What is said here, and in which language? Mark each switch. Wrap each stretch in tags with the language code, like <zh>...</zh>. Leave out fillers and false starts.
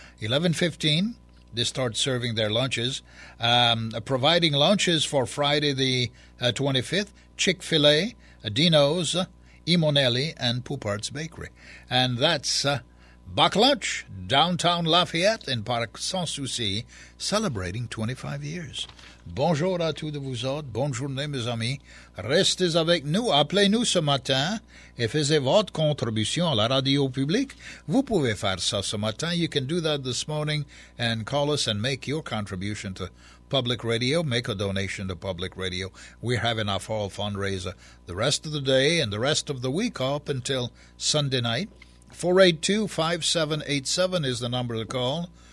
<en>11:15, they start serving their lunches. Providing lunches for Friday the 25th, Chick-fil-A, Dino's, Imonelli, and Poupart's Bakery. And that's Buck Lunch, downtown Lafayette, in Parc Sans Souci, celebrating 25 years.</en> <fr>Bonjour à tous de vous autres. Bonne journée, mes amis. Restez avec nous. Appelez-nous ce matin et faites votre contribution à la radio publique. Vous pouvez faire ça ce matin.</fr> <en>You can do that this morning and call us and make your contribution to public radio. Make a donation to public radio. We're having our fall fundraiser the rest of the day and the rest of the week up until Sunday night. 482-5787 is the number to call.</en>